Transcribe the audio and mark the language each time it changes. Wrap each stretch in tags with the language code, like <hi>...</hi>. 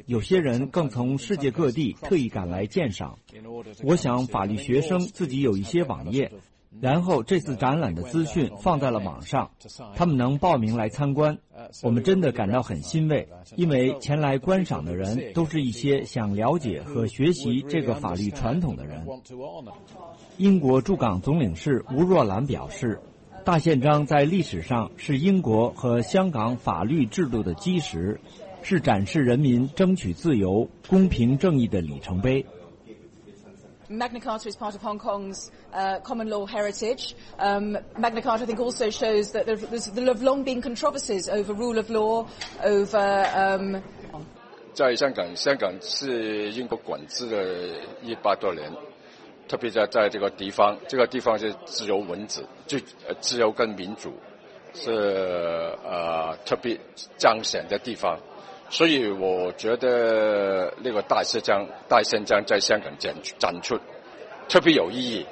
<zh>有些人更从世界各地特意赶来鉴赏。我想法律学生自己有一些网页，然后这次展览的资讯放在了网上，他们能报名来参观，我们真的感到很欣慰，因为前来观赏的人都是一些想了解和学习这个法律传统的人。英国驻港总领事吴若兰表示，大宪章在历史上是英国和香港法律制度的基石，是展示人民争取自由、公平正义的里程碑。</zh> <en>Magna Carta is part of Hong Kong's common law heritage. Magna Carta, I think, also shows that there have long been controversies over rule of law, over.</en> <zh>在香港是英国管制的100多年，特别在这个地方是自由文字，就自由跟民主是特别彰显的地方。所以我觉得那个大宪章在香港展出特别有意义。</zh>